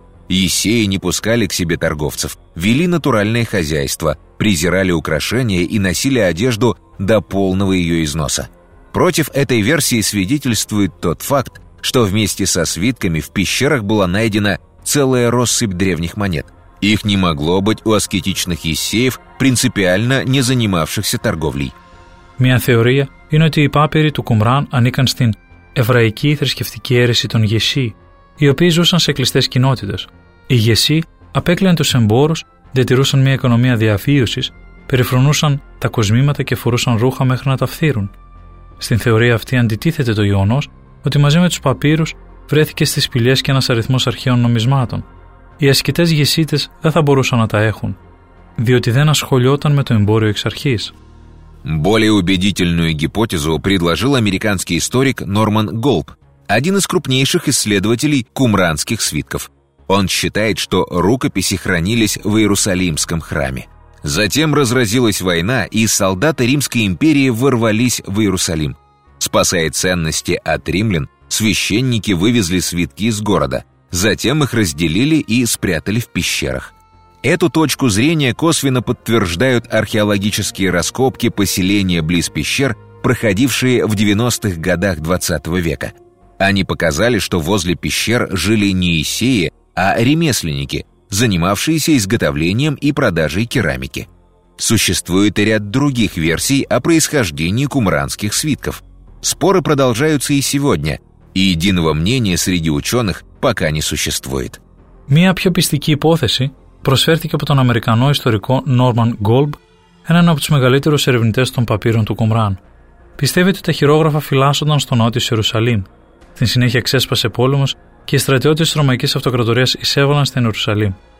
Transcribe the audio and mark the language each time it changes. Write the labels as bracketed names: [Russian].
[Russian] Есеи не пускали к себе торговцев, вели натуральное хозяйство, презирали украшения и носили одежду до полного ее износа. Против этой версии свидетельствует тот факт, что вместе со свитками в пещерах была найдена целая россыпь древних монет. Их не могло быть у аскетичных есеев, принципиально не занимавшихся торговлей. [Greek] Μια θεωρία είναι ότι οι πάπυροι του Κουμράν ανήκαν στην εβραϊκή θρησκευτική αίρεση των Γεσί, οι οποίοι ζούσαν σε κλειστές κοινότητες. Οι Γεσί απέκλειαν τους εμπόρους, διατηρούσαν μια οικονομία διαβίωσης, περιφρονούσαν τα κοσμήματα και φορούσαν ρούχα μέχρι να τα φθείρουν. Στην θεωρία αυτή αντιτίθεται το γεγονός ότι μαζί με τους παπύρους βρέθηκε στις σπηλιές και ένας αριθμός αρχαίων νομισμάτων. Οι ασκητές Γεσίτες δεν θα μπορούσαν να τα έχουν, διότι δεν ασχολιόταν με το εμπόριο εξ αρχής. [Russian] Более убедительную гипотезу предложил американский историк Норман Голб, один из крупнейших исследователей кумранских свитков. Он считает, что рукописи хранились в Иерусалимском храме. Затем разразилась война, и солдаты Римской империи ворвались в Иерусалим. Спасая ценности от римлян, священники вывезли свитки из города. Затем их разделили и спрятали в пещерах. Эту точку зрения косвенно подтверждают археологические раскопки поселения близ пещер, проходившие в 90-х годах 20 века. Они показали, что возле пещер жили не есеи, а ремесленники, занимавшиеся изготовлением и продажей керамики. Существует и ряд других версий о происхождении кумранских свитков. Споры продолжаются и сегодня, и единого мнения среди ученых пока не существует. [Greek] Мия пьё пистики ипотеси προσφέρθηκε από τον Αμερικανό ιστορικό Norman Golb, έναν από τους μεγαλύτερους ερευνητές των παπύρων του Κουμράν. Πιστεύει ότι τα χειρόγραφα φυλάσσονταν στο νότιο Ιερουσαλήμ. Στην συνέχεια ξέσπασε πόλεμος και οι στρατιώτες της Ρωμαϊκής Αυτοκρατορίας εισέβαλαν στην Ιερουσαλήμ.